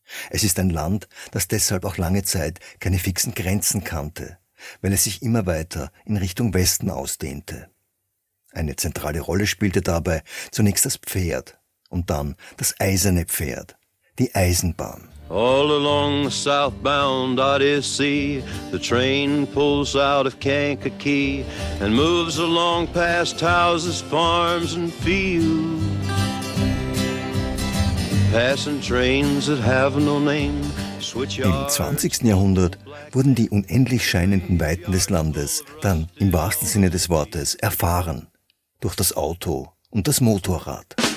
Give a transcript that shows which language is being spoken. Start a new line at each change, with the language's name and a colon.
German: Es ist ein Land, das deshalb auch lange Zeit keine fixen Grenzen kannte, weil es sich immer weiter in Richtung Westen ausdehnte. Eine zentrale Rolle spielte dabei zunächst das Pferd und dann das eiserne Pferd, die Eisenbahn.
English: All along the southbound Odyssey, the train pulls out of Kankakee and moves along past houses, farms and fields. Passing trains that have no name.
German: Im 20. Jahrhundert wurden die unendlich scheinenden Weiten des Landes dann im wahrsten Sinne des Wortes erfahren. Durch das Auto und das Motorrad.